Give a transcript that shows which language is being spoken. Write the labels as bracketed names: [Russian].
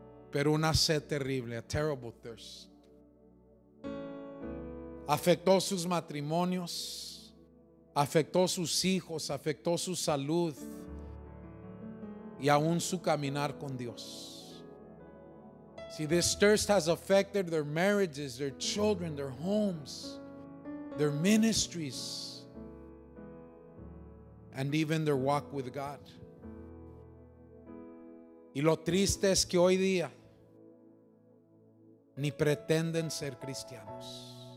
[Spanish] Pero una sed terrible, [English] a terrible thirst, [Spanish] afectó sus matrimonios. Afectó sus hijos, afectó su salud y aún su caminar con Dios. [English] See, this thirst has affected their marriages, their children, their homes, their ministries, and even their walk with God. [Spanish] Y lo triste es que hoy día ni pretenden ser cristianos.